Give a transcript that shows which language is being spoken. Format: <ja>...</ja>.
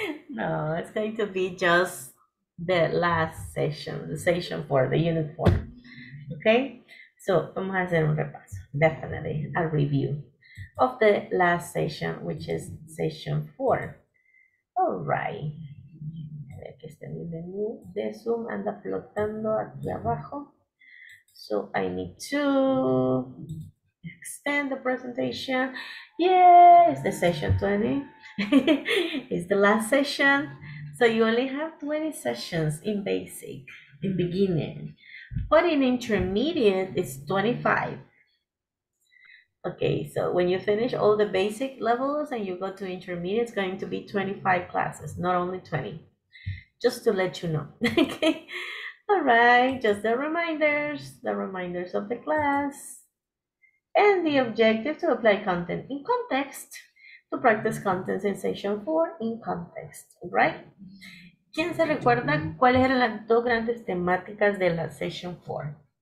<en>No, it's going to be just the last session, the session 4, the unit 4. Okay? So, vamos a hacer un repaso. Definitely. A review of the last session, which is session 4. All right.</en> <es>A ver que este menú de Zoom anda flotando aquí abajo. So I need to</es> <en>extend the presentation. Yay, it's the session 20. It's the last session. So you only have 20 sessions in basic, in beginning. But in intermediate, it's 25. Okay, so when you finish all the basic levels and you go to intermediate, it's going to be 25 classes, not only 20. Just to let you know, okay? All right, just the reminders of the class, and the objective to apply content in context, to practice contents in session 4 in context, right?</en> <es>¿Quién se recuerda cuáles eran las dos grandes temáticas de la session 4?</es>